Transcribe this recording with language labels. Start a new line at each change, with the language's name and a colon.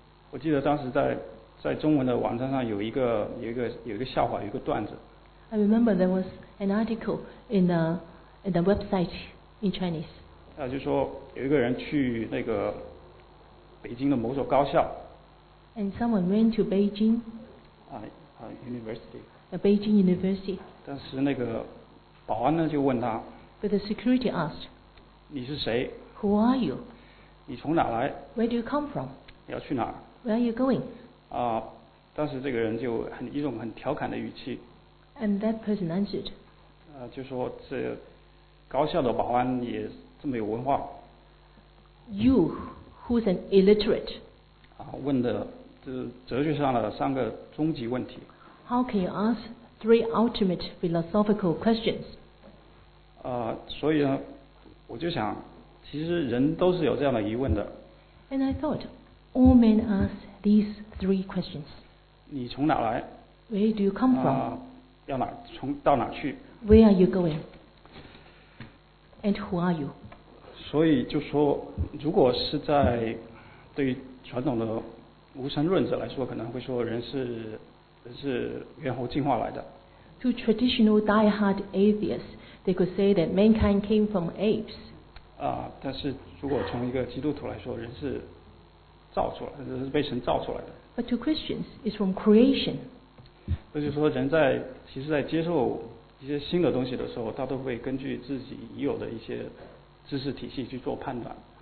Chinese: 我记得当时在中文的网站上有一个笑话，有一个段子。
English: I remember there was an article in the website in Chinese.
Chinese: 就说有一个人去那个北京的某所高校。
English: And someone went to Beijing. University. Beijing University.
Chinese: 但是那个保安呢就问他。
English: But the security asked.
Chinese: 你是谁
English: ？Who are you？
Chinese: 你从哪来
English: ？Where do you come from？
Chinese: 你要去哪
English: ？Where are you going？
Chinese: 啊，当时这个人就很一种很调侃的语气。
English: And that person answered.
Chinese: 就说这高校的保安也这么有文化。
English: You who's an illiterate？
Chinese: 啊，问的这哲学上的三个终极问题。
English: How can you ask three ultimate philosophical questions？
Chinese: 所以呢，我就想，其实人都是有这样的疑问的。
English: And I thought, all men ask these three questions.
Chinese: 你从哪来
English: ？Where do you come from？
Chinese: 要哪从到哪去
English: ？Where are you going？And who are you？
Chinese: 所以就说，如果是在对于传统的无神论者来说，可能会说人是猿猴进化来的。
English: To traditional die-hard atheists, they could say that mankind came from apes.
Chinese: 但是如果从一个基督徒来说，人是造出来，人是被神造出来的。
English: But to Christians, it's from creation.
Chinese: 那就是说，人在其实，在接受一些新的东西的时候，他都会根据自己已有的一些知识体系去做判断。